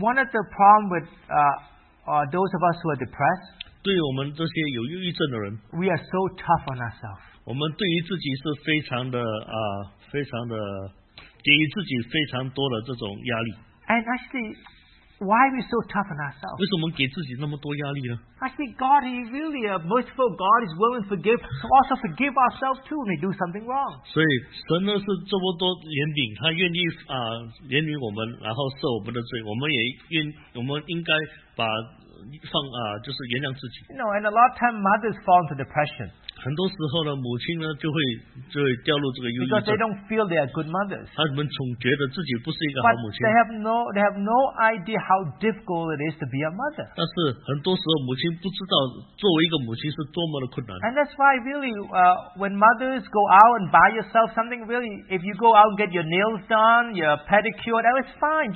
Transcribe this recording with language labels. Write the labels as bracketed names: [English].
[English] One of the problem with those of us who are depressed. [Chinese] 对我们这些有忧郁症的人。 [English] We are so tough on ourselves. [Chinese] 我们对于自己是非常的非常的给予自己非常多的这种压力。 [English] And actually, why are we so tough on ourselves? [Chinese] 为什么给自己那么多压力呢？ [English] Actually, God is really a merciful God. He's willing to forgive, also forgive ourselves too when we do something wrong. [Chinese] 所以神呢是这么多怜悯，他愿意怜悯我们，然后赦我们的罪。我们也愿，我们应该把放就是原谅自己。 [English] You know, and a lot of time mothers fall into depression. [Chinese] 很多时候呢，母亲呢就会掉入这个忧郁症。 [English] Because they don't feel they are good mothers. [Chinese] 他们总觉得自己不是一个好母亲。 [English] But they have no idea how difficult it is to be a mother. [Chinese] 但是很多时候母亲不知道作为一个母亲是多么的困难。 [English] And that's why really, when mothers go out and buy yourself something, really, if you go out and get your nails done, your pedicure, that is fine.